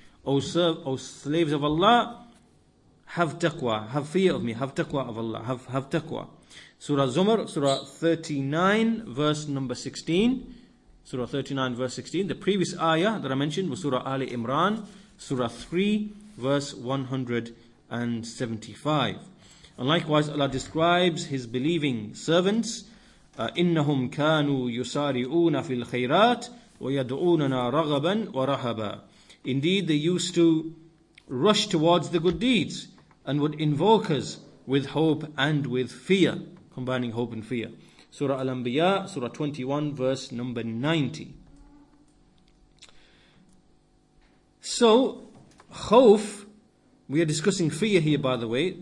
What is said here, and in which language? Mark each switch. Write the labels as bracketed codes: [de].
[en] O slaves of Allah, have taqwa, have fear of me, have taqwa of Allah, have taqwa. Surah Zumar, Surah 39, verse number 16. Surah 39, verse 16. The previous ayah that I mentioned was Surah Ali Imran, Surah 3, verse 175. And likewise, Allah describes His believing servants, [ar] إِنَّهُمْ كَانُوا يُسَارِعُونَ فِي الْخَيْرَاتِ وَيَدْعُونَنَا رَغَبًا وَرَهَبًا. [en] Indeed, they used to rush towards the good deeds and would invoke us with hope and with fear, combining hope and fear. Surah Al-Anbiya, Surah 21, verse number 90. So, khawf, we are discussing fear here, by the way.